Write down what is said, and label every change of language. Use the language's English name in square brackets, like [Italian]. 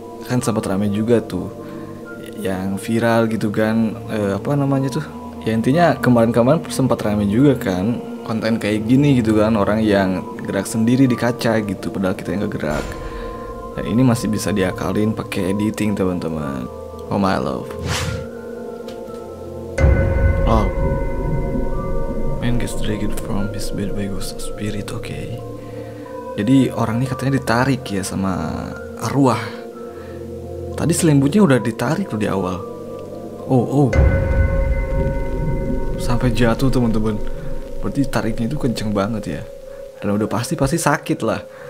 [Indonesian] Kan sempat rame juga tuh, yang viral gitu kan, apa namanya tuh? Ya intinya kemarin-kemarin sempat rame juga kan, konten kayak gini gitu kan, orang yang gerak sendiri di kaca gitu, padahal kita yang gerak. Nah, ini masih bisa diakalin pakai editing, teman-teman. [English] Oh my love. Oh, man gets dragged from his bed by ghost spirit. Okay. [Indonesian] Jadi orang ini katanya ditarik ya sama arwah. Tadi selimutnya udah ditarik tuh di awal. Oh. Sampai jatuh, teman-teman. Berarti tariknya itu kenceng banget ya. Dan udah pasti sakit lah.